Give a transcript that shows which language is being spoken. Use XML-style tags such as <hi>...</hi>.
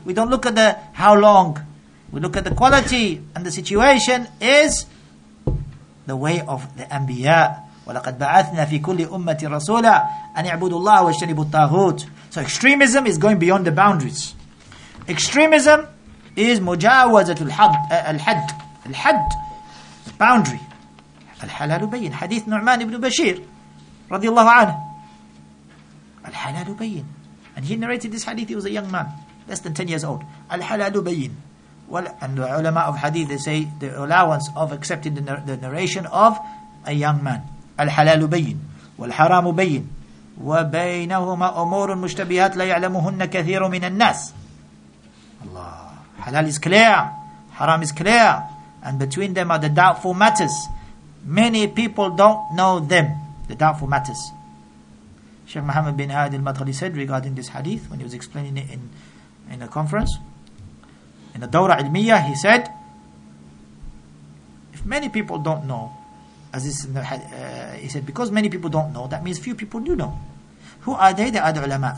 <en>We don't look at the how long. We look at the quality, and the situation is the way of the Anbiya.</en> <ar>وَلَقَدْ بَعَثْنَا فِي كُلِّ أُمَّةٍ رَسُولًا أَنْ يَعْبُدُوا اللَّهَ وَاجْتَنِبُوا الطَّاغُوتَ.</ar> <en>So extremism is going beyond the boundaries. Extremism is</en> <ar>مُجَاوَزَةُ الْحَدْ.</ar> <en>Boundary.</en> <ar>الحلال بين حديث نعمان بن بشير رضي الله عنه الحلال بين.</ar> <en>And he narrated this hadith, he was a young man, less than 10 years old.</en> <ar>الحلال بين.</ar> <en>And the ulama of hadith, they say the allowance of accepting the narration of a young man.</en> <ar>الحلال بين والحرام بين وبينهما أمور مشتبهات لا يعلمهن كثير من الناس.</ar> <en>Allah. Halal is clear, haram is clear, and between them are the doubtful matters. Many people don't know them, the doubtful matters. Sheikh Muhammad bin Hadi al-Madkhali said regarding this hadith, when he was explaining it in a conference, in a Dawra Ilmiya, he said, if many people don't know, as this in the he said, because many people don't know, that means few people do know. Who are they? They are the ulama.</en>